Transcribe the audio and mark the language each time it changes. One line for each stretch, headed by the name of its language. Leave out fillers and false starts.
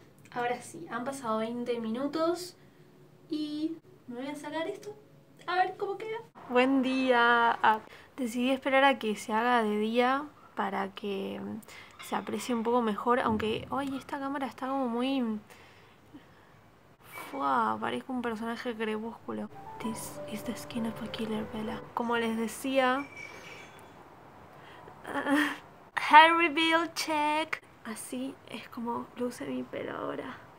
Spanish: Ahora sí, han pasado 20 minutos y me voy a sacar esto. A ver cómo queda. Buen día. Ah, decidí esperar a que se haga de día para que se aprecie un poco mejor. Aunque, ay, esta cámara está como muy. Wow, parezco un personaje crepúsculo.
English: This is the skin of a killer, Bella.
Spanish: Como les decía.
English: Hair reveal check.
Spanish: Así es como luce mi pelo ahora.